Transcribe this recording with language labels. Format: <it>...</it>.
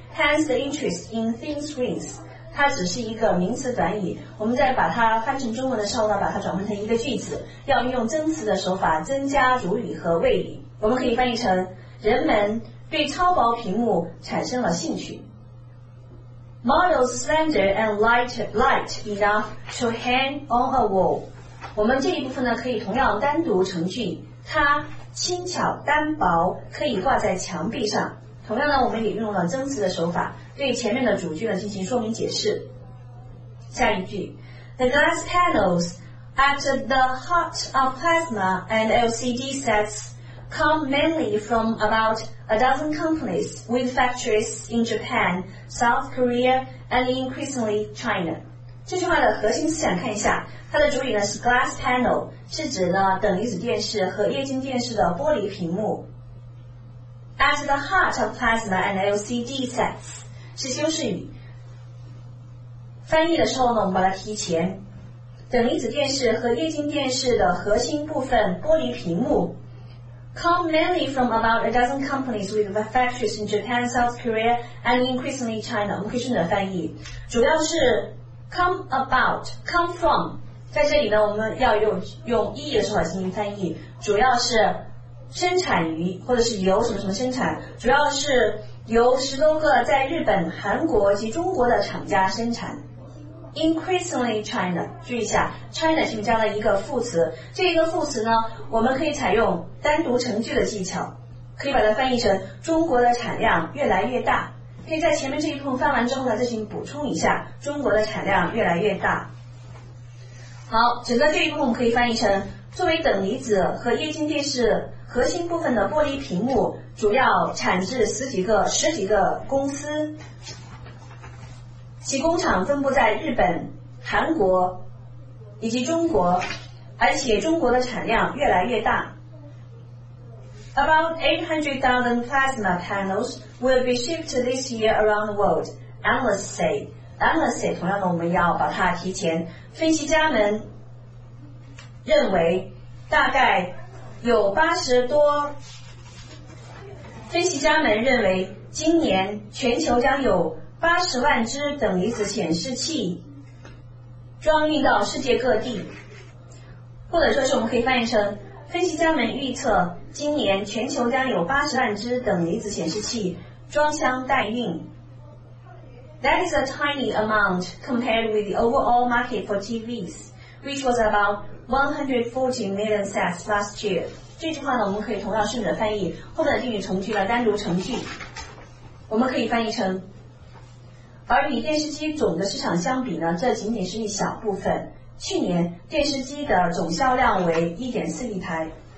<en>Hence the interest in thin screens.</en> <zh>它只是一个名词短语。我们在把它翻成中文的时候呢，把它转换成一个句子，要运用增词的手法，增加主语和谓语。我们可以翻译成，人们对超薄屏幕产生了兴趣。</zh> <en>Models slender and light enough to hang on a wall.</en> <zh>我们这一部分呢，可以同样单独成句，它轻巧单薄，可以挂在墙壁上。同样呢，我们也运用了增词的手法，对前面的主句呢进行说明解释。</zh> <en>下一句， The glass panels at the heart of plasma and LCD sets come mainly from aboutA dozen companies with factories in Japan, South Korea, and increasingly China.</en> <zh>这句话的核心思想看一下，它的主语呢是 glass panel， 是指呢等离子电视和液晶电视的玻璃屏幕。</zh> <en>At the heart of plasma and LCD sets</en> <zh>是修饰语，翻译的时候呢，我们把它提前。等离子电视和液晶电视的核心部分玻璃屏幕。</zh> <en>Come mainly from about a dozen companies with factories in Japan, South Korea, and increasingly China.</en> <zh>我们可以顺着翻译，主要是</zh> <en>come about, come from.</en> <zh>在这里呢，我们要用意义的手法进行翻译，主要是生产于或者是由什么什么生产，主要是由十多个在日本、韩国及中国的厂家生产。 Increasingly China， 注意一下 China 前面加了一个副词，这一个副词呢，我们可以采用单独成句的技巧，可以把它翻译成中国的产量越来越大，可以在前面这一部分翻完之后呢，再行补充一下，中国的产量越来越大。好，整个这一部分可以翻译成，作为等离子和液晶电视核心部分的玻璃屏幕主要产制十几个公司，其工厂分布在日本、韩国以及中国，而且中国的产量越来越大。</zh> <en>About 800,000 plasma panels will be shipped this year around the world, analysts say. Analysts say，</en> <zh>同样的我们要把它提前，分析家们认为大概有分析家们认为今年全球将有800,000只等离子显示器装运到世界各地，或者说是我们可以翻译成，分析家们预测今年全球将有800,000只等离子显示器装箱待运。</zh> <en>That is a tiny amount compared with the overall market for TVs, which was about 140 million sets last year.</en> <zh>这句话呢，我们可以同样顺着翻译，或者定语从句的单独成句。我们可以翻译成，而与电视机总的市场相比呢，这仅仅是一小部分。去年电视机的总销量为 1.4 亿台。</zh>